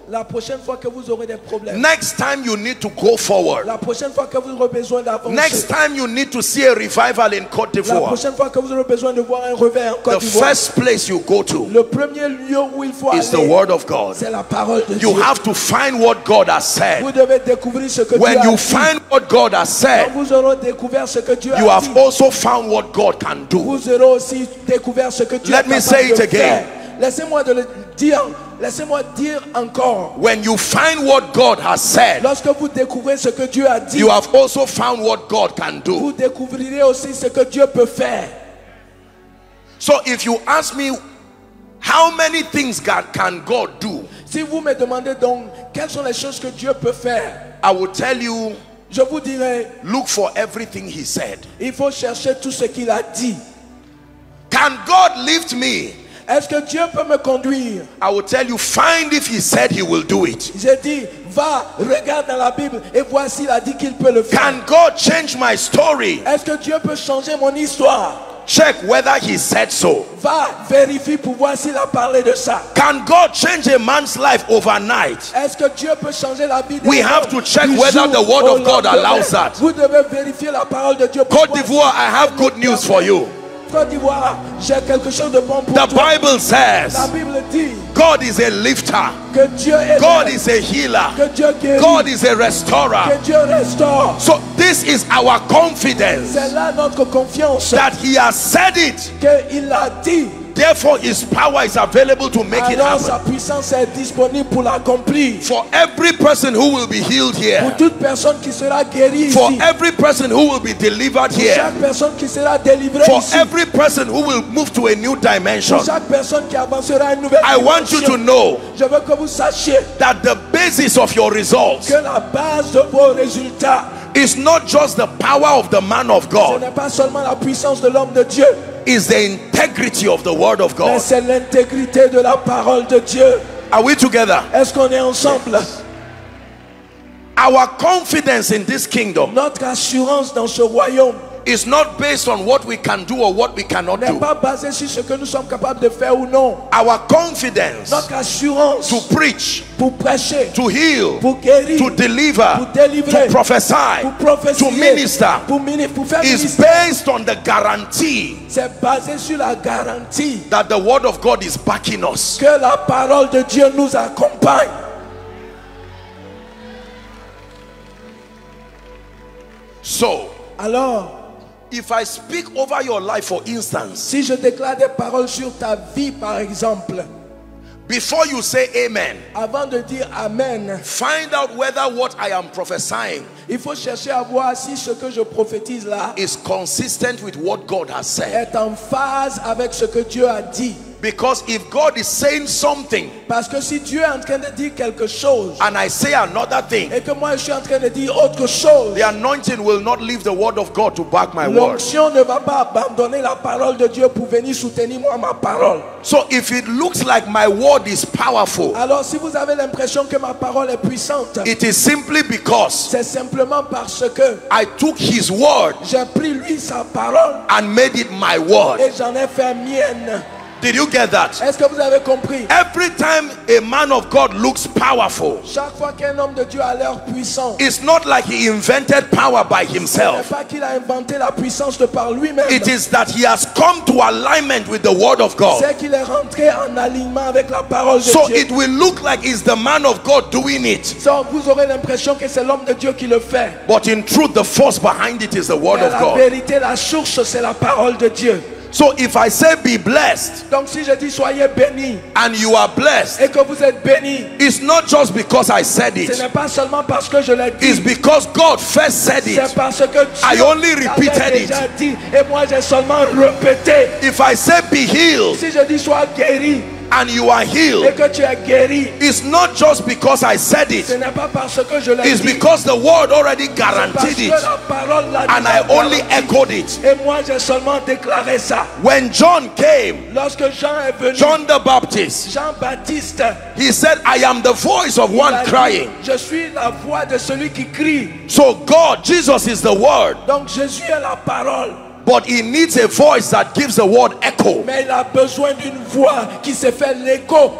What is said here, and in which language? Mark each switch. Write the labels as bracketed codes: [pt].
[fr] la prochaine fois que vous aurez des problèmes, [en] next time you need to go forward, [fr] la prochaine fois que vous aurez besoin d'avancer, [en] next time you need to see a revival in Côte d'Ivoire, [fr] la prochaine fois que vous aurez besoin de voir un réveil en Côte d'Ivoire, [en] the first place you go to, [fr] le premier lieu où il faut aller, [en] is the word of God. [fr] C'est la parole de [en] you [fr] Dieu. [en] You have to find what God has said. [fr] Vous devez découvrir ce que [en] when [fr] Dieu a [en] when you find what God has said, [fr] quand vous aurez découvert ce que Dieu [en] you have also found what God can do. [fr] Vous aurez aussi découvert ce que Dieu [en] let me say it again. [fr] Faire. Laissez-moi dire encore. [en] When you find what God has said, [fr] lorsque vous découvrez ce que Dieu a dit, [en] you have also found what God can do. [fr] Vous découvrirez aussi ce que Dieu peut faire. [en] So if you ask me, how many things God can God do? [fr] Si vous me demandez donc quelles sont les choses que Dieu peut faire, [en] I will tell you. [fr] Je vous dirai, [en] look for everything he said. [fr] Il faut chercher tout ce qu'il a dit. [en] Can God lift me? [fr] Est-ce que Dieu peut me conduire? [en] I will tell you, find if he said he will do it. [fr] Je dis, va, regarde dans la Bible et vois s'il a dit qu'il peut le faire. [en] Can God change my story? [fr] Est-ce que Dieu peut changer mon histoire? [en] Check whether he said so. [fr] Va vérifier pour voir s'il a parlé de ça. [en] Can God change a man's life overnight? [fr] Est-ce que Dieu peut changer la vie? [en] We have to check whether the word of God allows that. [fr] Vous devez vérifier la parole de Dieu. [en] Côte d'Ivoire, I have good news for you. [fr] Côte d'Ivoire, j'ai quelque chose de bon pour toi. [en] The Bible says, [fr] la Bible dit, [en] God is a lifter. [fr] Que Dieu est [en] God is a healer. [fr] Que Dieu guérit. [en] God is a restorer. [fr] Que Dieu restaure. [en] So this is our confidence. [fr] C'est là notre confiance. [en] That he has said it. [fr] Que il a dit. [en] Therefore his power is available to make [fr] alors [en] it happen. [fr] Sa puissance est disponible pour l'accomplir. [en] For every person who will be healed here. [fr] Pour toute personne qui sera guérie [en] for [fr] ici. [en] Every person who will be delivered [fr] pour [en] here. [fr] Pour chaque personne qui sera délivrée [en] for [fr] ici. [en] For every person who will move to a new dimension. [fr] Pour chaque personne qui avancera une nouvelle [en] dimension. I want you to know. [fr] Je veux que vous sachiez [en] that the basis of your results. [fr] Que la base de vos résultats. [en] Is not just the power of the man of God. [fr] Ce n'est pas seulement la puissance de l'homme de Dieu. [en] Is the integrity of the word of God. [fr] Mais c'est l'intégrité de la parole de Dieu. [en] Are we together? [fr] Est-ce qu'on est ensemble? [en] Yes. Our confidence in this kingdom. [fr] Notre assurance dans ce royaume. [en] is not based on what we can do or what we cannot do. [fr] N'est pas basé sur ce que nous sommes capables de faire ou non. [en] Our confidence, [fr] notre assurance, [en] to preach, [fr] pour prêcher, [en] to heal, [fr] pour guérir, [en] to deliver, [fr] pour délivrer, [en] to prophesy, [fr] pour prophétiser, [en] to minister, [fr] pour faire [en] is based on the guarantee. [fr] C'est basé sur la garantie [en] that the word of God is backing us. [fr] Que la parole de Dieu nous accompagne. [en] So, [fr] alors, [en] if I speak over your life, for instance, [fr] si je déclare des paroles sur ta vie, par exemple, [en] before you say amen, [fr] avant de dire amen, [en] find out whether what I am prophesying, [fr] il faut chercher à voir si ce que je prophétise là, [en] is consistent with what God has said, [fr] est en phase avec ce que Dieu a dit. [en] Because if God is saying something, [fr] parce que si Dieu est en train de dire quelque chose, [en] and I say another thing, [fr] et que moi je suis en train de dire autre chose, [en] the anointing will not leave the word of God to back my word. [fr] L'onction ne va pas abandonner la parole de Dieu pour venir soutenir moi ma parole. [en] So if it looks like my word is powerful, [fr] alors si vous avez l'impression que ma parole est puissante, [en] it is simply because, [fr] c'est simplement parce que, [en] I took his word, [fr] j'ai pris lui sa parole, [en] and made it my word, [fr] et j'en ai fait mienne. [en] Did you get that? [fr] Est-ce que vous avez compris? [en] Every time a man of God looks powerful, [fr] chaque fois qu'un homme de Dieu a l'air puissant, [en] it's not like he invented power by himself. [fr] Ce n'est pas qu'il a inventé la puissance de par lui-même. [en] It is that he has come to alignment with the word of God. [fr] C'est qu'il est rentré en alignement avec la parole de [en] so [fr] Dieu. [en] So it will look like it's the man of God doing it. [fr] So vous aurez l'impression que c'est l'homme de Dieu qui le fait. [en] But in truth, the force behind it is the word [fr] Mais [en] of God. [fr] La vérité, la source, c'est la parole de Dieu. [en] So if I say be blessed, [fr] donc si je dis soyez béni, [en] and you are blessed, [fr] et que vous êtes béni, [en] it's not just because I said it. [fr] Ce n'est pas seulement parce que je l'ai dit. [en] It's because God first said it. [fr] C'est parce que Dieu [en] I only repeated [fr] l'avait déjà [en] it. [fr] Dit, et moi j'ai seulement répété. [en] If I say be healed, [fr] si je dis sois guéri, [en] and you are healed, [fr] et que tu es guéri, [en] it's not just because I said it. [fr] Ce n'est pas parce que je l'ai [en] it's [fr] dit. [en] Because the word already guaranteed it. [fr] La parole l'a [en] and [fr] dit [en] I only echoed it. [fr] Et moi j'ai seulement déclaré ça. [en] When John came, [fr] lorsque Jean est venu, [en] John the Baptist, [fr] Jean Baptiste, [en] he said, I am the voice of one [fr] dit, [en] crying. [fr] Je suis la voix de celui qui crie. [en] So God, Jesus is the word. [fr] Donc Jésus est la parole. [en] But he needs a voice that gives the word echo. [fr] Mais il a besoin d'une voix qui se fait l'écho.